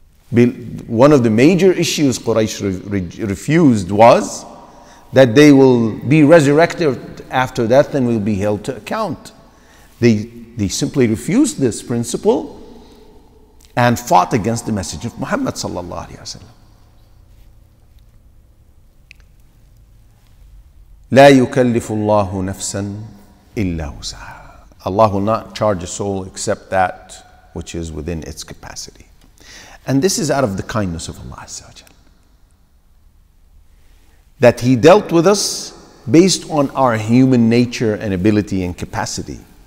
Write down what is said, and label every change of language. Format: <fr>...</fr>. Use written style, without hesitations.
<en>One of the major issues Quraysh refused was that they will be resurrected after death and will be held to account. They simply refused this principle and fought against the message of Muhammad sallallahu alaihi wasallam.</en> <ar>لا يكلف الله نفسا إلا وسعها.</ar> <en>Allah will not charge a soul except that which is within its capacity. And this is out of the kindness of Allah Azza wa Jalla, that He dealt with us based on our human nature and ability and capacity.</en>